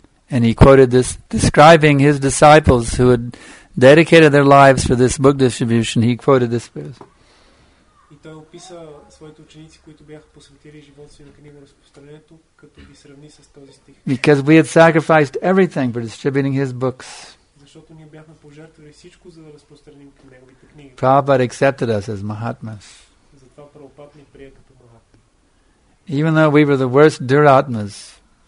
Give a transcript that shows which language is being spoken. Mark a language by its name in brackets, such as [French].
[English] And he quoted this, describing his disciples who had dedicated their lives for this book distribution. He quoted this verse. [Bulgarian] Той описа своите ученици, които бяха посветили живота си на книга на разпространението, като ги сравни с този стих. [English] Because we had sacrificed everything for distributing his books. [Bulgarian] Защото ние бяхме пожертвали всичко, за да разпространим неговите книги. [English] Prabhupada accepted us as Mahatmas. [Bulgarian] Затова Прабхупад ни прие като Махатма. [English] Even though we were the worst Duratmas,